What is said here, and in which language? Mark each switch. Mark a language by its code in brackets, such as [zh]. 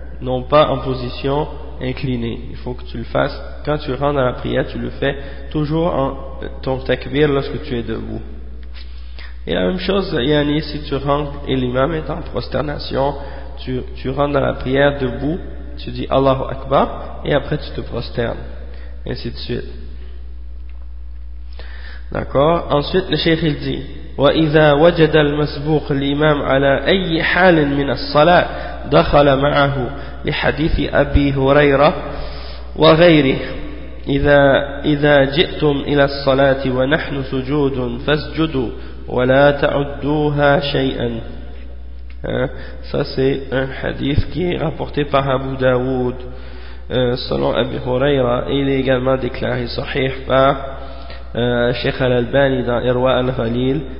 [fr] Non pas en position inclinée. Il faut que tu le fasses quand tu rentres à la prière, tu le fais toujours en ton takbir lorsque tu es debout. Et la même chose, Yannis, si tu rentres et l'imam est en prosternation, tu rentres dans la prière debout, tu dis Allahu Akbar et après tu te prosternes, ainsi de suite. D'accord? Ensuite, le cheikh il dit [ar] وإذا وجد المسبوق الإمام على أي حال من الصلاة دخل معه لحديث أبي هريرة وغيره إذا جئتم إلى الصلاة ونحن سجود فاسجدوا ولا تعدوها شيئا. [fr] Ça c'est un hadith qui est rapporté par Abu Dawood selon Abi Huraira. Il est également déclaré sahih par Sheikh Al-Albani dans Irwa Al-Khalil.